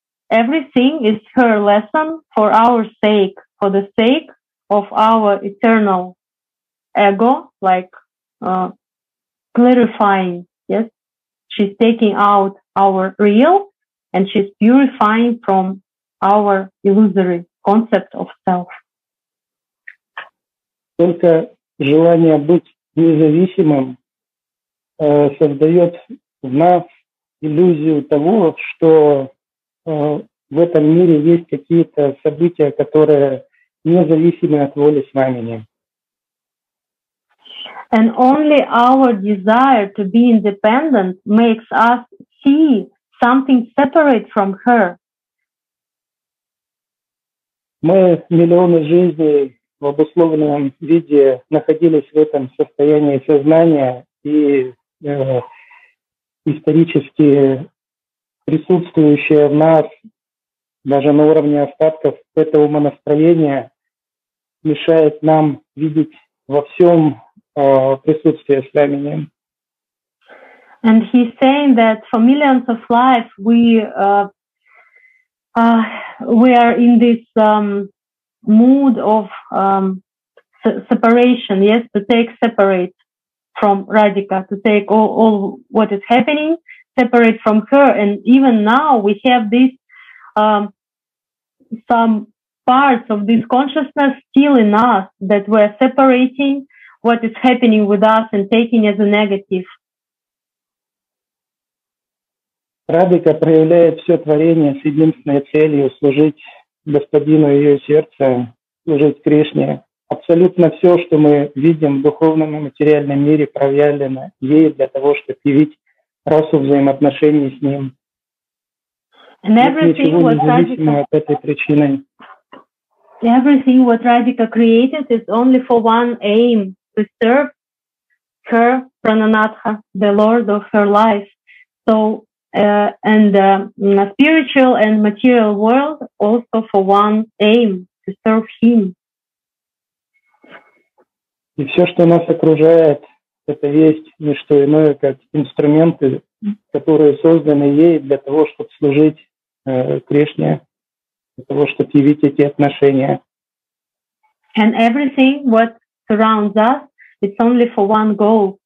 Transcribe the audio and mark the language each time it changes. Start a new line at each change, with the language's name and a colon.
English: everything is her lesson for our sake, for the sake of our eternal ego, like clarifying, yes? She's taking out our real and she's purifying from our illusory concept of self.
Russian: Только желание быть независимым создает в нас иллюзию того, что в этом мире есть какие-то события, которые независимы от воли Свамини.
English: And only our desire to be independent makes us see something separate from her.
Russian: Мы миллионы жизней в обусловленном виде находились в этом состоянии сознания и исторически присутствующее в нас, даже на уровне остатков, это умонастроение мешает нам видеть во всем присутствие Свамини.
English: And he's saying that for millions of lives we are in this mood of separation, yes, to take separate from Radhika, to take all what is happening separate from her, and even now we have this some parts of this consciousness still in us that we're separating what is happening with us and taking as a negative.
Russian: Радика проявляет все творение с единственной целью служить Господину ее сердце, служить Кришне. Абсолютно все, что мы видим в духовном и материальном мире, проявлено ей для того, чтобы явить расу взаимоотношений с Ним. Ничего не зависимо от этой причины.
English: Everything what Radhika created is only for one aim, to serve her Prananatha, the Lord of her life. So, and the spiritual and material world also for one aim, to serve Him.
Russian: И все, что нас окружает, это есть не что иное, как инструменты, которые созданы ей для того, чтобы служить Кришне, для того, чтобы явить эти отношения.
English: And everything what surrounds us, it's only for one goal.